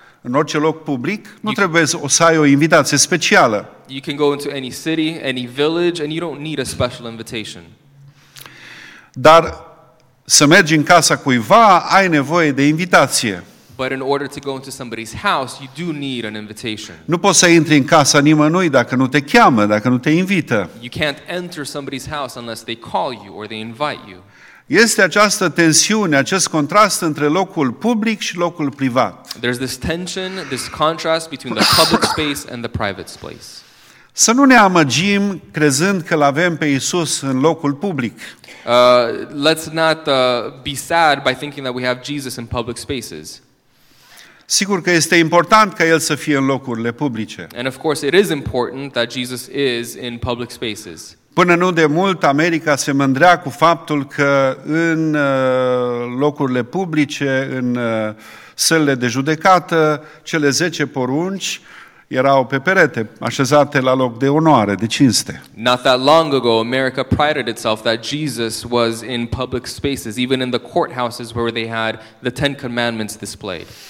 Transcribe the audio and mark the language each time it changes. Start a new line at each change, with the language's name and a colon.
Romanian: În orice loc public, nu trebuie să ai o invitație specială.
English: You can go into any city, any village, and you don't need a special invitation.
Romanian: Dar să mergi în casa cuiva, ai nevoie de invitație.
English: But in order to go into somebody's house, you do need an invitation.
Romanian: Nu poți să intri în casa nimănui dacă nu te cheamă, dacă nu te invită.
English: You can't enter somebody's house unless they call you or they invite you.
Romanian: Este această tensiune, acest contrast între locul public și locul privat.
English: There's this tension, this contrast between the public space and the private space.
Romanian: Să nu ne amăgim crezând că l-avem pe Iisus în locul public.
English: Let's not be sad by thinking that we have Jesus in public spaces.
Romanian: Sigur că este important ca el să fie în locurile publice.
English: And of course it is important that Jesus is in public spaces.
Romanian: Până nu de mult, America se mândrea cu faptul că în locurile publice, în sălile de judecată, cele 10 porunci erau pe perete, așezate la loc de onoare, de cinste.
English: Not that long ago, America prided itself that Jesus was in public spaces, even in the courthouses where they had the Ten Commandments displayed.